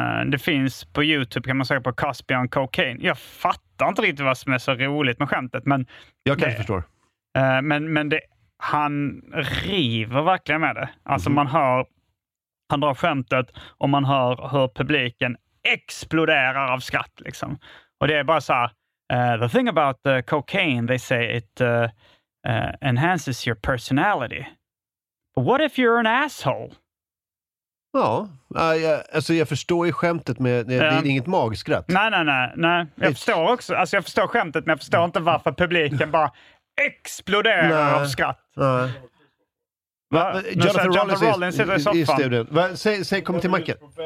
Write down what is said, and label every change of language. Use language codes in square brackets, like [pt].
[sv] Det finns på YouTube, kan man säga, på Cosby on cocaine. Jag fattar inte riktigt vad som är så roligt med skämtet. Men jag kanske förstår. Men det, han river verkligen med det. Alltså man hör... Han drar skämtet och man hör hur publiken exploderar av skratt. Liksom. Och det är bara så här... [en] the thing about the cocaine, they say it enhances your personality. But what if you're an asshole? [sv] Ja, alltså jag förstår ju skämtet, med det är inget magskratt. Nej. Jag förstår skämtet, men jag förstår inte varför publiken bara exploderar av skratt. Nej. Jonathan Rollins sitter i studion. Säg, kom till macken.